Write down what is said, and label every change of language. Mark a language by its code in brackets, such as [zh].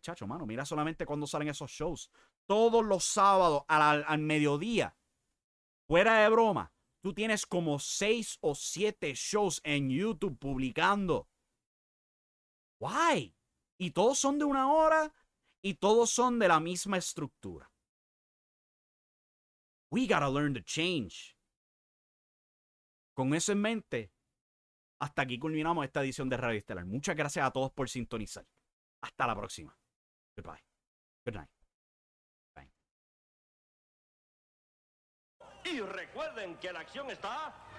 [es] Chacho, mano, mira solamente cuando salen esos shows. Todos los sábados al mediodía, fuera de broma, tú tienes como 6 o 7 shows en YouTube publicando. [en] Why? [es] Y todos son de una hora y todos son de la misma estructura. [en] We gotta learn to change. [es] Con eso en mente, hasta aquí culminamos esta edición de Radio Estelar. Muchas gracias a todos por sintonizar. Hasta la próxima. [en] Goodbye. Good night. [es] Y recuerden que la acción está